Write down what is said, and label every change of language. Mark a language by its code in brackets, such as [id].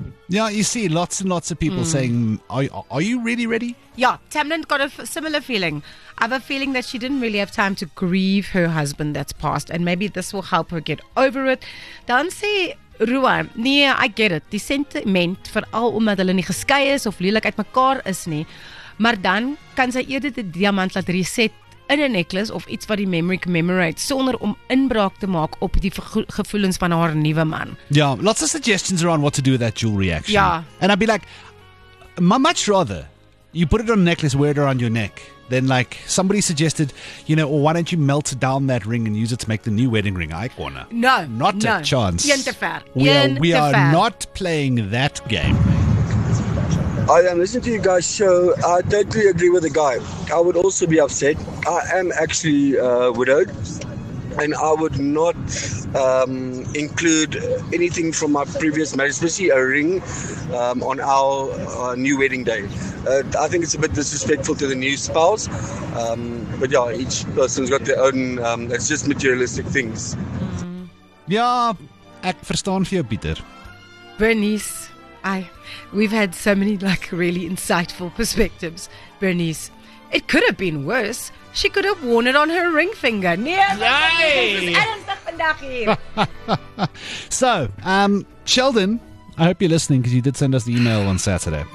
[en] Yeah, you see lots and lots of people saying, are you really ready? Yeah, Tamlin got a similar feeling. I have a feeling that she didn't really have time to grieve her husband that's passed, and maybe this will help her get over it. [af] Dan sê Ruan, nee, [en] I get it. [af] Die sentiment, veral omdat hulle nie geskei is of lelik uit mekaar is nie, maar dan kan sy eerder die diamant laat reset in 'n necklace of iets wat die memory commemorate, sonder om inbraak te maak op die gevoelens van haar nuwe man. [en] Yeah, lots of suggestions around what to do with that jewelry, actually. Yeah. And I'd be like, much rather you put it on a necklace, wear it around your neck, then like somebody suggested, you know, why don't you melt down that ring and use it to make the new wedding ring? I wanna. No. Not no. a chance. Yen te fair. We are not playing that game. I am listening to you guys' show. I totally agree with the guy. I would also be upset. I am actually widowed, and I would not include anything from my previous marriage, especially a ring, on our new wedding day. I think it's a bit disrespectful to the new spouse. But yeah, each person's got their own, it's just materialistic things. [af] Ja, ek verstaan vir jou, Pieter. [en] Bernice, we've had so many like really insightful perspectives. Bernice, it could have been worse. She could have worn it on her ring finger. [af] Nee, [en] So, Sheldon, I hope you're listening because you did send us the email on Saturday.